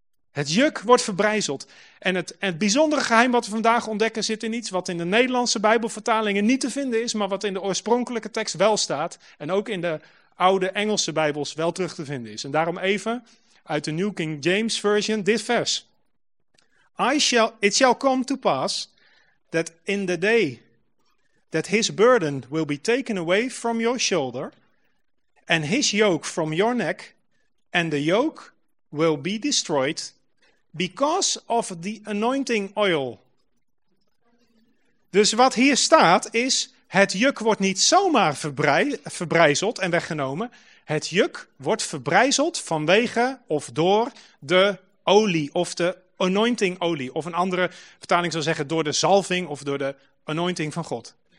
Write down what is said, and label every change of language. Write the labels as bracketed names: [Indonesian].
[Dutch] Het juk wordt verbrijzeld. En het bijzondere geheim wat we vandaag ontdekken zit in iets wat in de Nederlandse Bijbelvertalingen niet te vinden is, maar wat in de oorspronkelijke tekst wel staat en ook in de oude Engelse Bijbels wel terug te vinden is. En daarom even uit de New King James Version dit vers. [English] it shall come to pass that in the day that his burden will be taken away from your shoulder and his yoke from your neck, and the yoke will be destroyed because of the anointing oil. [Dutch] Dus wat hier staat is, het juk wordt niet zomaar verbrijzeld en weggenomen. Het juk wordt verbrijzeld vanwege of door de olie of de anointing olie. Of een andere vertaling zou zeggen door de zalving of door de anointing van God.